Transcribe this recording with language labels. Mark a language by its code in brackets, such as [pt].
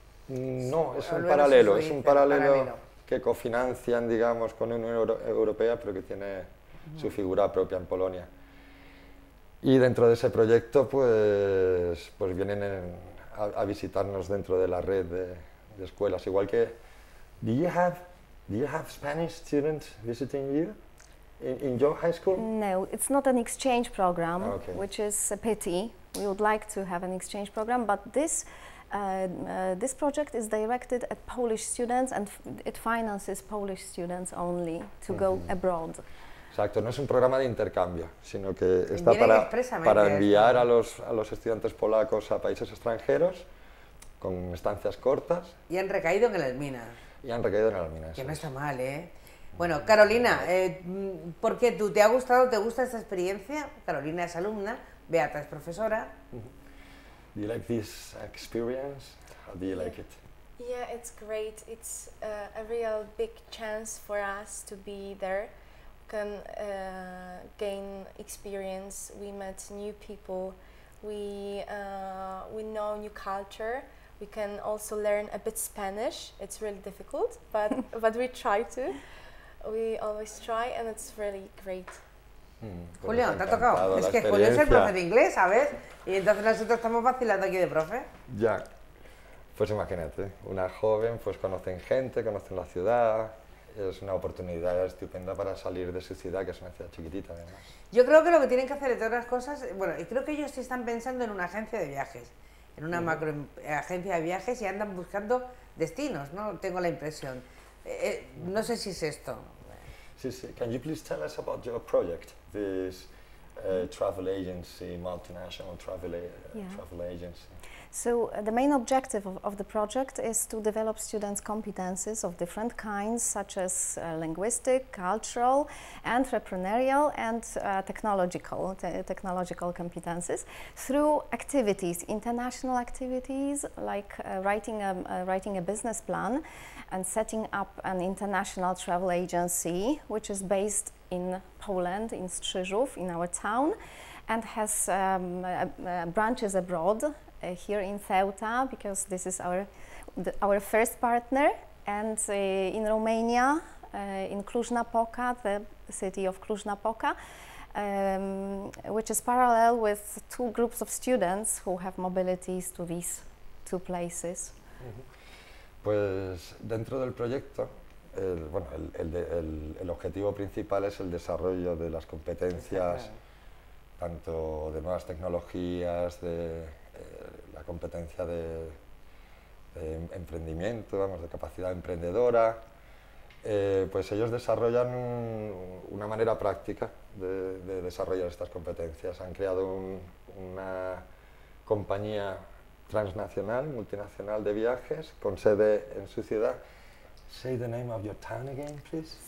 [es] No, es un paralelo, es un paralelo que cofinancian, digamos, con la Unión Europea, pero que tiene su figura propia en Polonia. Y dentro de ese proyecto, pues vienen a visitarnos dentro de la red de escuelas. Igual que, [en] do you have Spanish students visiting you in your high school? No, it's not an exchange program, okay. Which is a pity. We would like to have an exchange program, but this project is directed at Polish students and it finances Polish students only to go abroad. [es] Exacto, no es un programa de intercambio, sino que está para enviar a los estudiantes polacos a países extranjeros con estancias cortas. Y han recaído en el Elmina. Y han recaído en el Elmina. Que no está mal, ¿eh? Bueno, Carolina, ¿por qué tú te ha gustado, te gusta esta experiencia? Carolina es alumna, Beata es profesora. [en] Do you like this experience? How do you like it? Yeah, it's great. It's a real big chance for us to be there. Can gain experience. We met new people. We know new culture. We can also learn a bit Spanish. It's really difficult, but but we try to. We always try, and it's really great. [es] Julio, te ha tocado. Es que Julio es el profe de inglés, ¿sabes? Y entonces nosotros estamos vacilando aquí de profe. Ya. Pues imagínate, una joven, pues conocen gente, conocen la ciudad. Es una oportunidad estupenda para salir de su ciudad, que es una ciudad chiquitita, además. Yo creo que lo que tienen que hacer, entre otras cosas, bueno, y creo que ellos sí están pensando en una agencia de viajes, en una macro agencia de viajes, y andan buscando destinos, ¿no? Tengo la impresión. No sé si es esto. Sí, sí. [en] Can you please tell us about your project, this travel agency, multinational travel agency? So the main objective of the project is to develop students' competences of different kinds, such as linguistic, cultural, entrepreneurial, and technological competences through activities, international activities, like writing a business plan and setting up an international travel agency, which is based in Poland, in Strzyżów, in our town, and has branches abroad, here in Ceuta, because this is our first partner, and in Romania, in Cluj-Napoca, the city of Cluj-Napoca, which is parallel with two groups of students who have mobilities to these two places. Mm-hmm. [es] Pues dentro del proyecto, el objetivo principal es el desarrollo de las competencias, tanto de nuevas tecnologías, de la competencia de emprendimiento, vamos, de capacidad emprendedora. Pues ellos desarrollan una manera práctica de desarrollar estas competencias. Han creado una compañía transnacional, multinacional de viajes, con sede en su ciudad. [en] Say the name of your town again, please.